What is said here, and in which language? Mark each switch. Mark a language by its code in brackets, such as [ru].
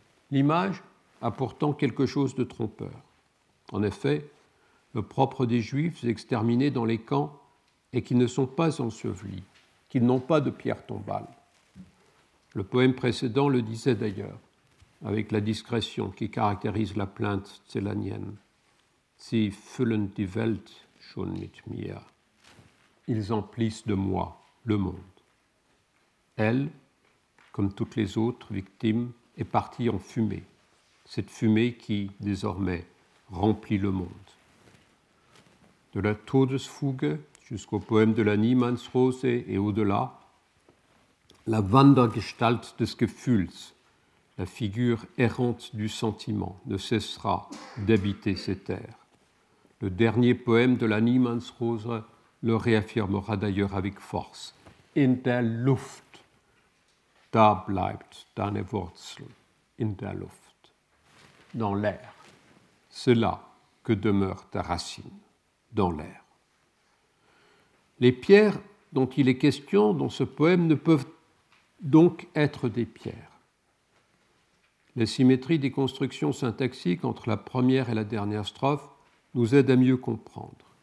[fr] L'image a pourtant quelque chose de trompeur. En effet, le propre des Juifs exterminés dans les camps est qu'ils ne sont pas ensevelis, qu'ils n'ont pas de pierre tombale. Le poème précédent le disait d'ailleurs, avec la discrétion qui caractérise la plainte tselanienne. [de] Sie füllen die Welt schon mit mir. [fr] Ils emplissent de moi le monde. Elle, comme toutes les autres victimes, est partie en fumée, cette fumée qui, désormais, remplit le monde. De la Todesfuge jusqu'au poème de la Niemandsrose et au-delà, la [de] Wandergestalt des Gefühls, [fr] la figure errante du sentiment, ne cessera d'habiter ces terres. Le dernier poème de la Niemandsrose le réaffirmera d'ailleurs avec force. [de] In der Luft, da bleibt deine Wurzel, in der Luft. [fr] Dans l'air, c'est là que demeure ta racine, dans l'air. Les pierres dont il est question dans ce poème ne peuvent donc être des pierres. La symétrie des constructions syntaxiques entre la première et la dernière strophe nous aide à mieux comprendre.